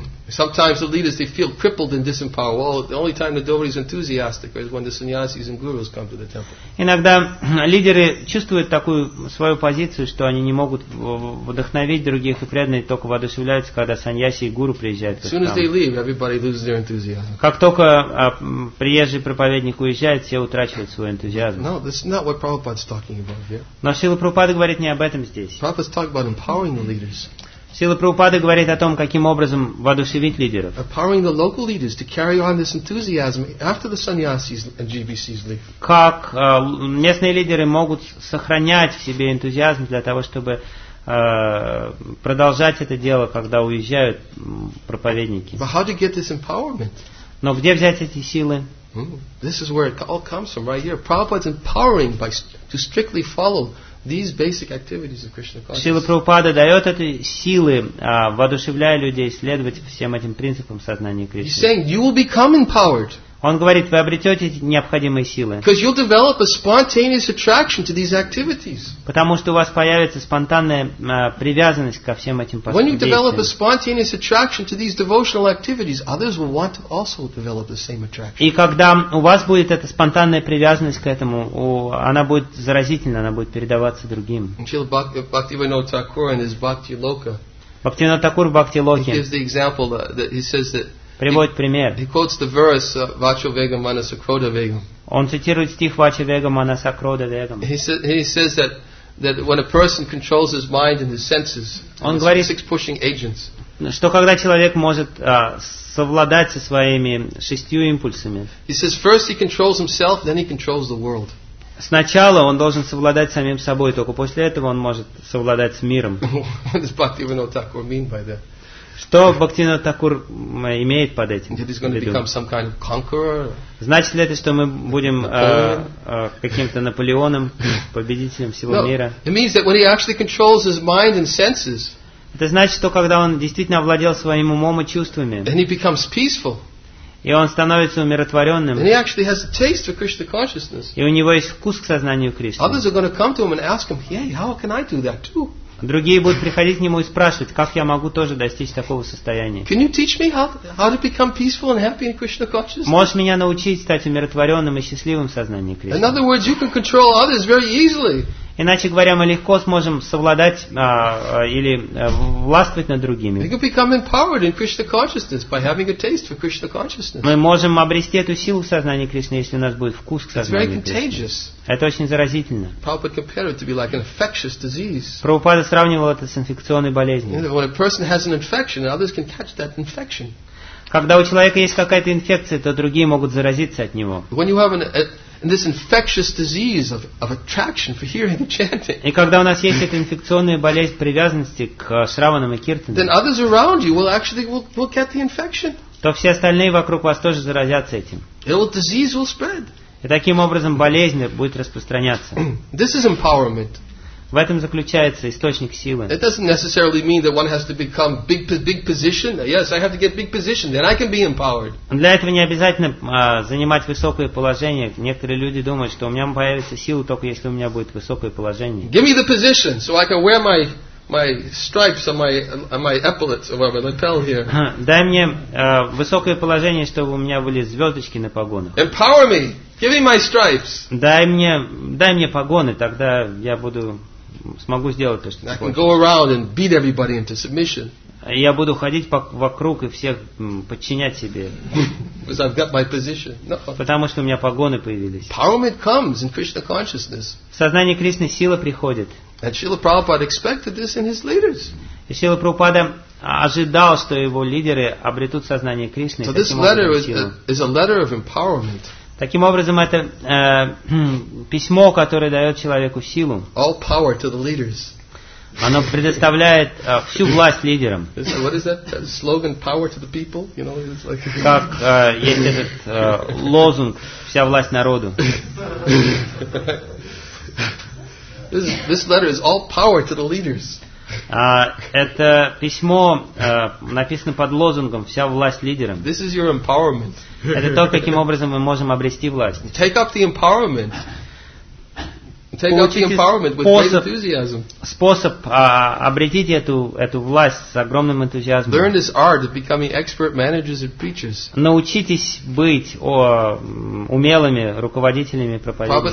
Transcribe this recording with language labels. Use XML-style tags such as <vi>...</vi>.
<en>Sometimes the leaders, they feel crippled and disempowered. Well, the only time the devotee is enthusiastic is when the sannyasis and gurus come to the temple.</en> <ru>Иногда лидеры чувствуют такую свою позицию, что они не могут вдохновить других, и преданные только воодушевляются, когда саньяси и гуру приезжают.</ru> <en>As soon as they leave, everybody loses their enthusiasm.</en> <ru>Как только приезжий проповедник уезжает, все утрачивают свой энтузиазм.</ru> <en>No, this is not what Prabhupada's talking about here.</en> <ru>Но Шрила Прабхупада говорит не об этом здесь.</ru> <en>Prabhupada's talking about empowering the leaders.</en> <ru>Шрила Прабхупада говорит о том, каким образом воодушевить лидеров.</ru> <en>Empowering the local leaders to carry on this enthusiasm after the sannyasis and GBCs leave.</en> <ru>Как местные лидеры могут сохранять в себе энтузиазм для того, чтобы продолжать это дело, когда уезжают проповедники?</ru> <en>But how to get this empowerment?</en> <ru>Но где взять эти силы?</ru> <en>This is where it all comes from, right here. Prabhupada's empowering by to strictly follow these basic activities of Krishna consciousness.</en> <ru>Сила Прабхупада дает эти силы, воодушевляя людей следовать всем этим принципам сознания Кришны.</ru> <en>He's saying you will become empowered.</en> <ru>Он говорит, вы обретете необходимые силы.</ru> <en>Because you'll develop a spontaneous attraction to these activities.</en> <ru>Потому что у вас появится спонтанная привязанность ко всем этим поступкам.</ru> <en>When you develop a spontaneous attraction to these devotional activities, others will want to also develop the same attraction.</en> <ru>И когда у вас будет эта спонтанная привязанность к этому, она будет заразительна, она будет передаваться другим.</ru> <en>Бхактивинода Тхакура in his Bhakti Loka.</en> <ru>Бхактивинода Тхакура в Бхакти Локе.</ru> <en>He gives the example that he says that.</en> <ru>Приводит пример.</ru> <en>He quotes the verse Vacha Vega Manasa Krodha Vega.</en> <ru>Он цитирует стих Vacha Vega Manasa Krodha Vega.</ru> <en>He says that when a person controls his mind and his senses,</en> <ru>он говорит,</ru> <en>six pushing agents.</en> <ru>Что когда человек может совладать со своими шестью импульсами?</ru> <en>He says first he controls himself, then he controls the world.</en> <ru>Сначала он должен совладать самим собой, только после этого он может совладать с миром.</ru> <en>But even though that would mean by that.</en> <ru>Что Бхактина Такур имеет под этим?</ru> <en>Kind of conqueror?</en> <ru>Значит ли это, что мы будем каким-то Наполеоном, победителем всего мира?</ru> <en>It means that when he actually controls his mind and senses.</en> <ru>Это значит, что когда он действительно овладел своим умом и чувствами.</ru> <en>Then he becomes peaceful.</en> <ru>И он становится умиротворенным.</ru> <en>And he actually has a taste for Krishna consciousness.</en> <ru>И у него есть вкус к сознанию Кришны.</ru> <en>Others are going to come to him and ask him, "Hey, how can I do that too?"</en> <ru>Другие будут приходить к нему и спрашивать, как я могу тоже достичь такого состояния.</ru> <en>Can you teach me how to become peaceful and happy in Krishna consciousness?</en> <ru>Можешь меня научить стать умиротворенным и счастливым в сознании Кришны?</ru> <en>In other words, you can control others very easily.</en> <ru>Иначе говоря, мы легко сможем совладать или властвовать над другими.</ru> <en>You can become empowered in Krishna consciousness by having a taste for Krishna consciousness.</en> <ru>Мы можем обрести эту силу в сознании Кришны, если у нас будет вкус к сознанию Кришны.</ru> <en>It's very contagious.</en> <ru>Это очень заразительно.</ru> <en>Prabhupada compared it to be like an infectious disease.</en> <ru>Прабхупада сравнивал это с инфекционной болезнью.</ru> <en>When a person has an infection, others can catch that infection.</en> <ru>Когда у человека есть какая-то инфекция, то другие могут заразиться от него.</ru> <en>When you have this infectious disease of attraction for hearing and chanting.</en> <ru>И когда у нас есть эта инфекционная болезнь привязанности к шраванам и киртанам,</ru> <en>then others around you will get the infection.</en> <ru>То все остальные вокруг вас тоже заразятся этим.</ru> <en>Disease will spread.</en> <ru>И таким образом болезнь будет распространяться.</ru> <en>This is empowerment.</en> <ru>В этом заключается источник силы.</ru> <en>It doesn't necessarily mean that one has to become big position. Yes, I have to get big position, then I can be empowered.</en> <ru>Для этого не обязательно занимать высокое положение. Некоторые люди думают, что у меня появится сила только если у меня будет высокое положение.</ru> <en>Give me the position so I can wear my stripes on my epaulets or whatever, lapel here.</en> <ru>Дай мне высокое положение, чтобы у меня были звездочки на погонах.</ru> <en>Empower me. Give me my stripes.</en> <ru>Дай мне погоны, тогда я буду смогу сделать то, что хочу.</ru> <en>I can go around and beat everybody into submission.</en> <ru>Я буду ходить вокруг и всех подчинять себе.</ru> <en>Because I've got my position. No.</en> <ru>Потому что у меня погоны появились.</ru> <en>Empowerment comes in Krishna consciousness.</en> <ru>В сознании Кришны сила приходит.</ru> <en>And Srila Prabhupada expected this in his leaders.</en> <ru>И Srila Prabhupada ожидал, что его лидеры обретут сознание Кришны.</ru> <en>So this letter is a letter of empowerment.</en> <ru>Таким образом, это письмо, которое дает человеку силу.</ru> <en>All power to the leaders.</en> <ru>Оно предоставляет всю власть лидерам.</ru> <en>What is that slogan, power to the people? You know, it's like...</en> <ru>Как есть этот лозунг, вся власть народу.</ru> <en>This letter is all power to the leaders.</en> <ru>Это письмо написано под лозунгом «Вся власть лидерам».</ru> <en>This is your empowerment.</en> <ru>Это то, каким образом мы можем обрести власть.</ru> <en>Take up the empowerment. Take up the empowerment with great enthusiasm.</en> <ru>Способ обретите эту власть с огромным энтузиазмом.</ru> <en>Learn this art of becoming expert managers and preachers.</en> <ru>Научитесь быть умелыми руководителями и проповедниками.</ru>